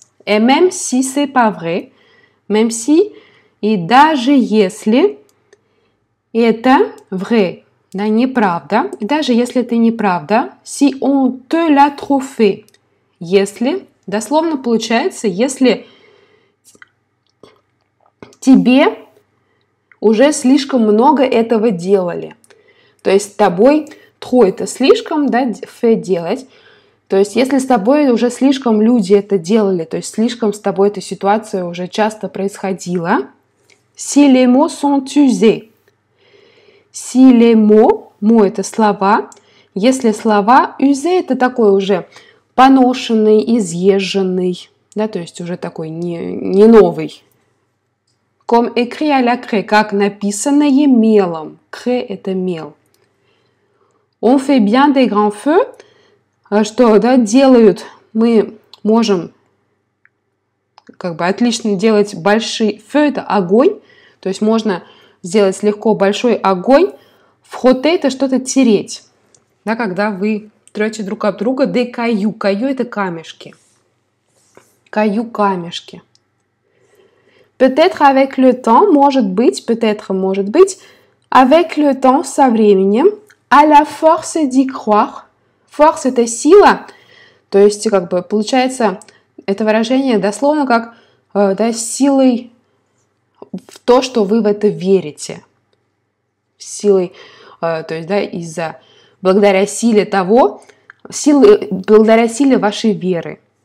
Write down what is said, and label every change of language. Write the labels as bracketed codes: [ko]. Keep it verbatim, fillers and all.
[fr] Et même si c'est pas vrai, même si, [ru] и даже если, это vrai, да, неправда, и даже если это неправда, [fr] si on te l'a trop fait, [ru] если, дословно получается, если тебе уже слишком много этого делали. То есть с тобой trop это слишком, да, fait делать. То есть если с тобой уже слишком люди это делали, то есть слишком с тобой эта ситуация уже часто происходила. [fr] Si les mots sont usés. Si les mots, mots [ru] это слова. Если слова, usés это такой уже поношенный, изъезженный, да, то есть уже такой не, не новый. [fr] Comme écrit à la craie, [ru] как написанное мелом. Craie это мел. [fr] On fait bien des grands feux, [ru] что, да, делают, мы можем как бы отлично делать большие, feu это огонь, то есть можно сделать легко большой огонь, frotter это что-то тереть, да, когда вы трете друг от друга, des cailloux, cailloux это камешки, cailloux камешки. [fr] Peut-être avec le temps, [ru] может быть, [fr] peut-être может быть, avec le temps [ru] со временем, [fr] à la force d'y croire. [ru] Force – это сила, то есть, как бы, получается, это выражение дословно как да, силой в то, что вы в это верите. Силой, то есть, да, из-за, благодаря силе того, силы, благодаря силе вашей веры.